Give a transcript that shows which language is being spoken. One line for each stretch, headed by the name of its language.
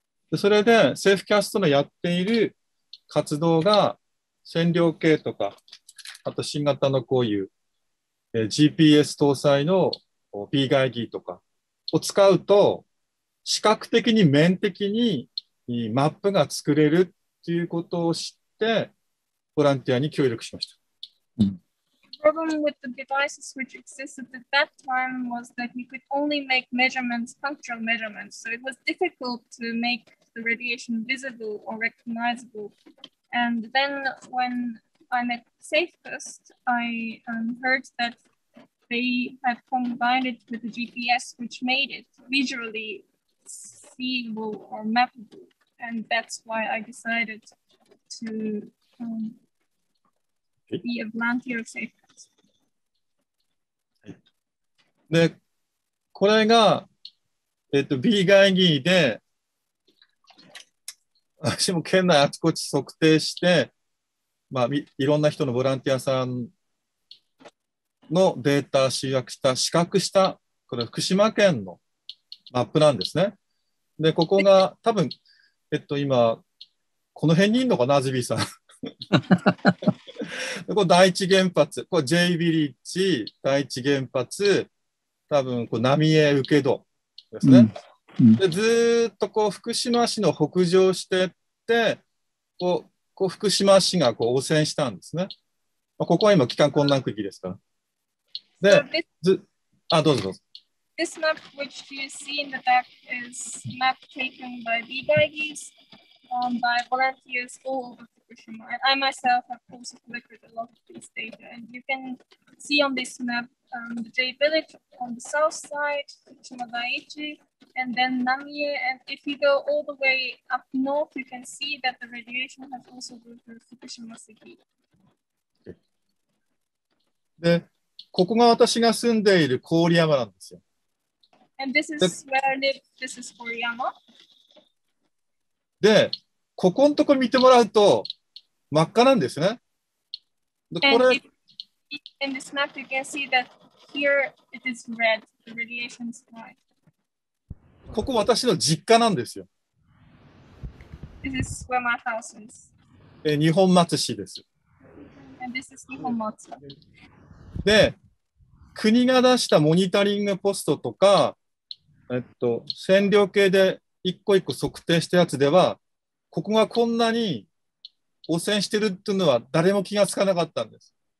Japanese: でそれでセーフキャストのやっている活動が線量計とか、あと新型のこういう GPS 搭載の B ガイディとかを使うと視覚的に面的にマップが作れるっていうことを知ってボランティアに協力しました。
English: The problem with the devices which existed at that time was that you could only make measurements, punctual measurements, so it was difficult to make the radiation visible or recognizable. And then when I met SafeCast, I heard that they had combined it with the GPS, which made it visually seeable or mappable. And that's why I decided to be a volunteer of SafeCast.
Japanese: で、これが、B ガイディで、私も県内あちこち測定して、まあ、いろんな人のボランティアさんのデータ集約した、視覚した、これ福島県のマップなんですね。で、ここが多分、今、この辺にいるのかな、アズビーさん。これ第一原発、これ J ビリッジ、第一原発、多分、浪江請戸ですね。うんでずっとこう福島市の北上していってこう福島市がこう汚染したんですね、まあ、ここは今帰還困難区域ですからで、どうぞどうぞ
English: This map which you see in the back is map taken by B-Gaigis by volunteers all over Fukushima and I myself have also collected a lot of this data and you can see on this map the J village on the south side Fukushima Daiichi and then Namie, and if you go all the way up north, you can see that the radiation has also gone through Fukushima City.
Japanese: で、ここが私が住んでいる郡山なんですよ。
English: And this is where I live. This is 郡山。
Japanese: で、ここのとこ見てもらうと真っ赤なんですね。で、これ。
English: In this map, you can see that here it is red. The radiation is white.
Japanese: ここ私の実家なんですよ。
English: This is where my house is.
Japanese: 二本松市です。
English: And this is 二本松。
Japanese: で、国が出したモニタリングポストとか、線量計で一個一個測定したやつでは、ここがこんなに汚染してるっていうのは誰も気がつかなかったんです。